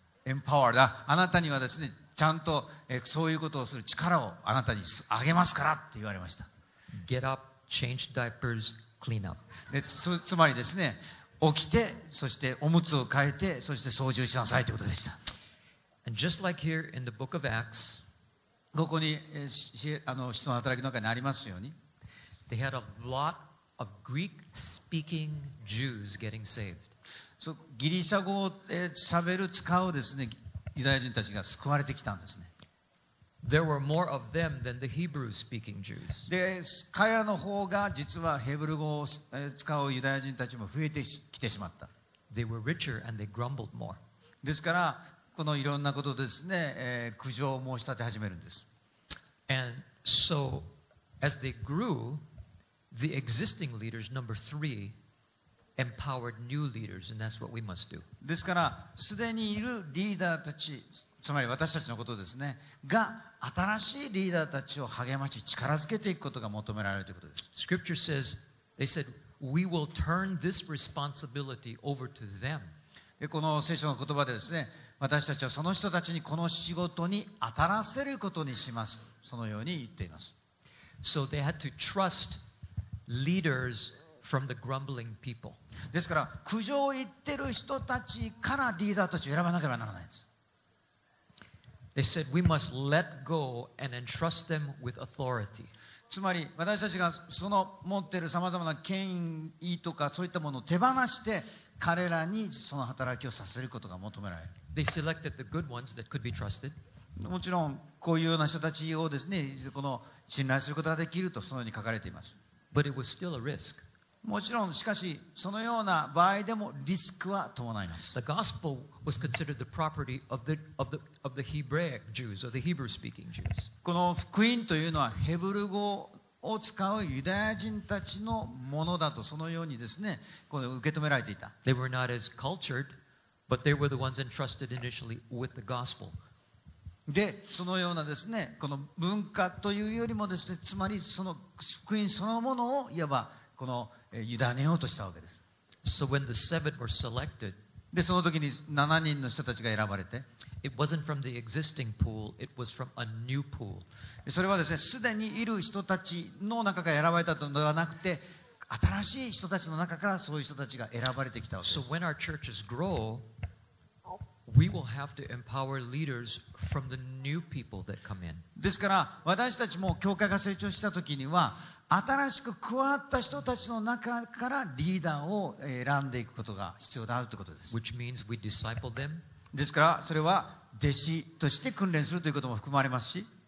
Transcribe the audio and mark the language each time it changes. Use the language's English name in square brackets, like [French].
[English] Empowered. [Japanese] あなたにはですね、ちゃんとそういうことをする力をあなたにあげますからって言われました。 [English] Get up, change diapers, clean up. [Japanese] で、つまりですね、起きて、そしておむつを替えて、そして掃除をしなさいということでした。 [English] And just like here in the book of Acts, [Japanese] ここに使徒の働きの中にありますように、 [English] They had a lot of Greek-speaking Jews getting saved. [Japanese] So, ギリシャ語を喋る使うですね、ユダヤ人たちが救われてきたんですね。 [English] There were more of them than the Hebrew-speaking Jews. [Japanese] で、彼らの方が実はヘブル語を使うユダヤ人たちも増えてきてしまった。 [English] They were richer and they grumbled more. [Japanese] ですから、このいろんなことですね、苦情を申し立て始めるんです。 [English] And so,As they grew, the existing leaders, number three, empowered new leaders, and that's what we must do. [Japanese] ですから、すでにいるリーダーたち、つまり私たちのことですね、が新しいリーダーたちを励まし、力づけていくことが求められるということです。 [English] Scripture says, they said, we will turn this responsibility over to them. [Japanese] で、この聖書の言葉でですね、私たちはその人たちにこの仕事に当たらせることにします。そのように言っています。 [English] So they had to trust leaders from the grumbling people. [Japanese] ですから苦情を言ってる人たちからリーダーたちを選ばなければならないんです。 [English] They said we must let go and entrust them with authority. [Japanese] つまり私たちがその持ってるさまざまな権威とかそういったものを手放して彼らにその働きをさせることが求められる。 [English] They selected the good ones that could be trusted. [Japanese] もちろんこういうような人たちをですね、この信頼することができるとそのように書かれています。 [English] But it was still a risk. [Japanese] もちろんしかしそのような場合でもリスクは伴います。 [English] The gospel was considered the property of the Hebraic Jews or the Hebrew speaking Jews. [Japanese] この福音というのはヘブル語を使うユダヤ人たちのものだとそのようにですね、この受け止められていた。 [English] They were not as cultured, but they were the ones entrusted initially with the gospel. [Japanese] で、そのようなですね、この文化というよりもですね、つまりその福音そのものをいわばこの委ねようとしたわけです。 [English] So when the seven were selected, [Japanese] で、その時に7人の人たちが選ばれて。 [English] It wasn't from the existing pool, it was from a new pool. [Japanese] それはですね、すでにいる人たちの中から選ばれたのではなくて、新しい人たちの中からそういう人たちが選ばれてきたわけです。 [English] So when our churches grow, we will have to empower leaders from the new people that come in. [Japanese] ですから、私たちも教会が成長した時には、新しく加わった人たちの中からリーダーを選んでいくことが必要であるということです。 [English] Which means we disciple them. [Japanese] ですから、それは弟子として訓練するということも含まれますし、